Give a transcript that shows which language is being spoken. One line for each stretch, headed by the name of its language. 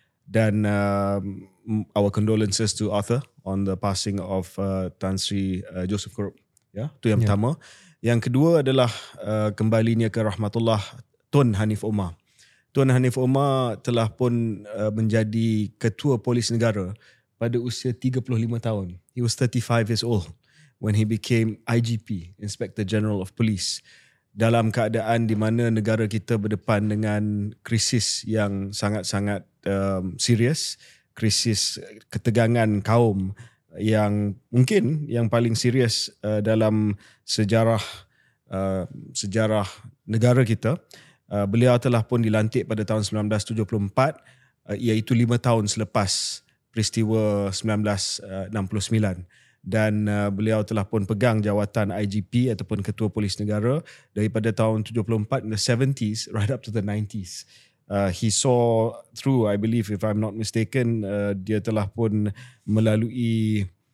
English: Dan our condolences to Arthur on the passing of Tan Sri Joseph Kurup.
Malay: Yeah, itu yang pertama. Yang kedua adalah kembalinya ke rahmatullah Tun Hanif Omar. Tun Hanif Omar telah pun menjadi ketua polis negara pada usia 35 tahun.
English: He was 35 years old when he became IGP, Inspector General of Police.
Malay: Dalam keadaan di mana negara kita berdepan dengan krisis yang sangat-sangat serius, krisis ketegangan kaum yang mungkin yang paling serius dalam sejarah negara kita. Beliau telah pun dilantik pada tahun 1974, iaitu 5 tahun selepas peristiwa 1969. Dan beliau telah pun pegang jawatan IGP ataupun Ketua Polis Negara daripada tahun 1974
English: in the 70s right up to the 90s. He saw through, I believe if I'm not mistaken,
Malay: dia telah pun melalui